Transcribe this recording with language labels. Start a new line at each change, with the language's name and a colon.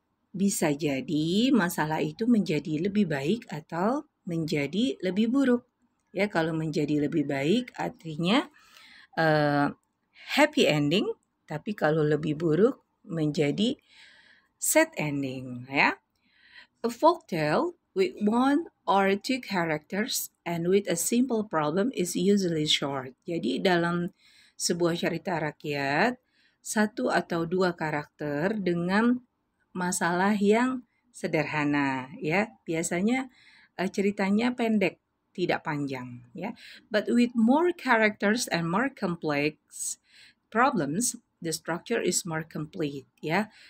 Indonesian: Bisa jadi masalah itu menjadi lebih baik atau menjadi lebih buruk. Ya, kalau menjadi lebih baik artinya happy ending, tapi kalau lebih buruk menjadi sad ending, ya.
English: A folk tale with one or two characters and with a simple problem is usually short.
Indonesian: Jadi dalam sebuah cerita rakyat, satu atau dua karakter dengan masalah yang sederhana, ya. Biasanya ceritanya pendek, tidak panjang, ya.
English: But with more characters and more complex problems, the structure is more complete, ya.